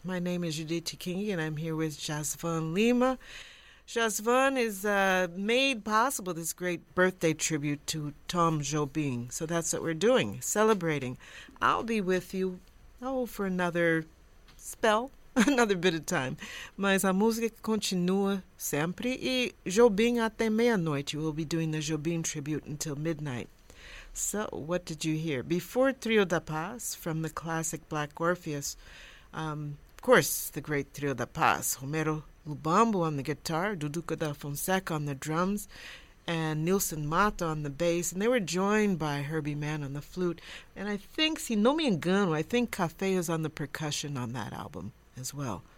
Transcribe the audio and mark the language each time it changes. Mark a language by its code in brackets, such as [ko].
[en] My name is Judith Kingi, and I'm here with Jasvan Lima. Jasvan is made possible this great birthday tribute to Tom Jobim. So that's what we're doing, celebrating. I'll be with you, for another spell, another bit of time. [pt] Mas a música continua sempre, e Jobim até meia-noite. [en] We'll be doing the Jobim tribute until midnight. So, what did you hear? Before Trio da Paz from the classic Black Orpheus, of course, the great Trio da Paz, Romero Lubambo on the guitar, Duduca da Fonseca on the drums, and Nilson Mata on the bass, and they were joined by Herbie Mann on the flute, and I think, [pt] se não me engano, [en] I think Café is on the percussion on that album as well.